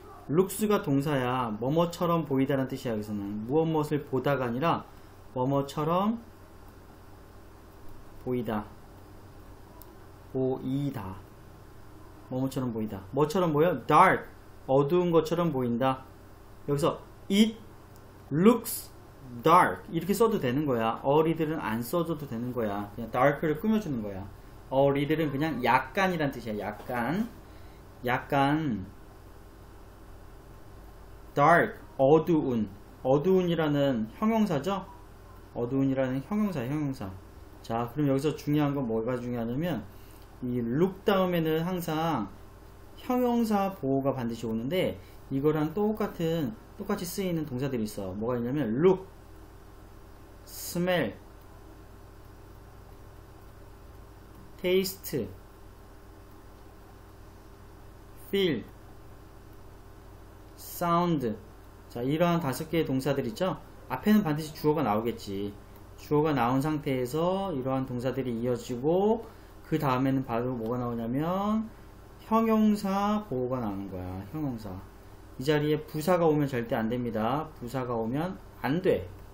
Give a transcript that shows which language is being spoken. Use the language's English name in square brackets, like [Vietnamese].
[Korean] looks가 동사야. 뭐뭐처럼 보이다라는 뜻이야, 여기서는. 무엇무엇을 보다가 아니라, 뭐뭐처럼 보이다. 보이다. 뭐뭐처럼 보이다. 뭐처럼 보여? dark, 어두운 것처럼 보인다. 여기서 [English] it looks dark. [Korean] 이렇게 써도 되는 거야. a little은 안 써줘도 되는 거야. 그냥 dark를 꾸며주는 거야. 리들은 그냥 약간이란 뜻이야. 약간, 약간 dark 어두운, 어두운이라는 형용사죠. 어두운이라는 형용사, 형용사. 자, 그럼 여기서 중요한 건 뭐가 중요하냐면 이 look 다음에는 항상 형용사 보호가 반드시 오는데 이거랑 똑같이 쓰이는 동사들이 있어. 뭐가 있냐면 look, smell, taste, feel, sound. 자, 이러한 다섯 개의 동사들 있죠? 앞에는 반드시 주어가 나오겠지. 주어가 나온 상태에서 이러한 동사들이 이어지고, 그 다음에는 바로 뭐가 나오냐면, 형용사 보호가 나오는 거야. 형용사. 이 자리에 부사가 오면 절대 안 됩니다. 부사가 오면 안 돼.